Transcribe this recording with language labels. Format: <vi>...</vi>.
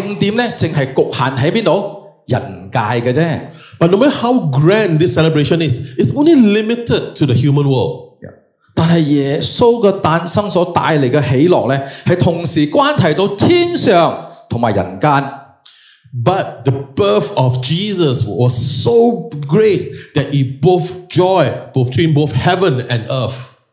<zh>那即无论这个典礼庆祝几大都好，这个庆典只是局限在哪里？人界的。</zh> <en>But no matter how grand this celebration is, it's only limited to the human world.</en> <zh>但是耶稣的诞生所带来的喜乐，是同时关系到天上。</zh> <en>But the birth of Jesus was so great that it both joy between both heaven and earth.</en>